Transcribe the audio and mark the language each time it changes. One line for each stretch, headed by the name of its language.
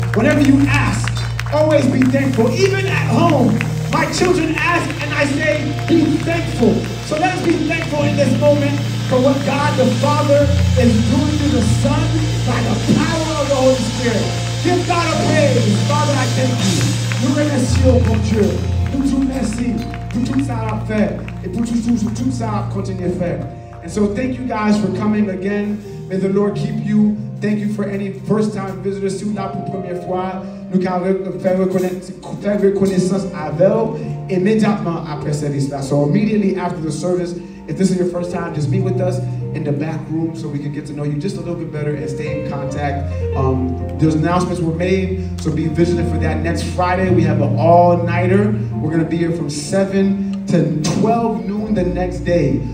English: Whenever you ask, always be thankful. Even at home, my children ask and I say, be thankful. So let's be thankful in this moment for what God the Father is doing through the Son by the power of the Holy Spirit. Give God a praise. Father, I thank you.
French: Nous remercions, bon Dieu. Nous te remercions pour tout ça à faire et pour tout ça à continuer à faire.
English: And so thank you guys for coming again. May the Lord keep you. Thank you for any first-time visitors.
French: Si vous êtes là pour la première fois, nous allons faire reconnaissance avec vous immédiatement après service.
English: So immediately after the service, if this is your first time, just meet with us in the back room so we can get to know you just a little bit better and stay in contact. Those announcements were made, so be vigilant for that. Next Friday, we have an all-nighter. We're going to be here from 7 to 12 noon the next day.